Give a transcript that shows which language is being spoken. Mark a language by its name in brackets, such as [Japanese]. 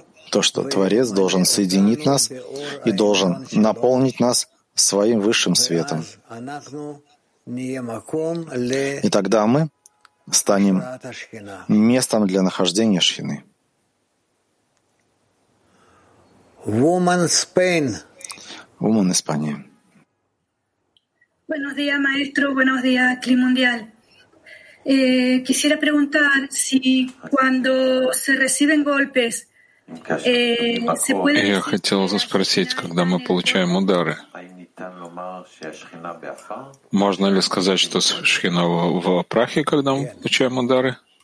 [Russian] То, что Творец должен соединить нас и должен наполнить нас своим высшим светом. И тогда мы станем местом для нахождения Шхины. [English] Woman Spain. [Russian] Woman Испания. [Spanish] Buenos días, maestro. Buenos días, Clima Mundial. Quisiera preguntar si cuando se reciben golpes, se puede. [Russian] Я хотел спросить, когда мы получаем удары, можно ли сказать, что Шхина в прахе, когда мы получаем удары?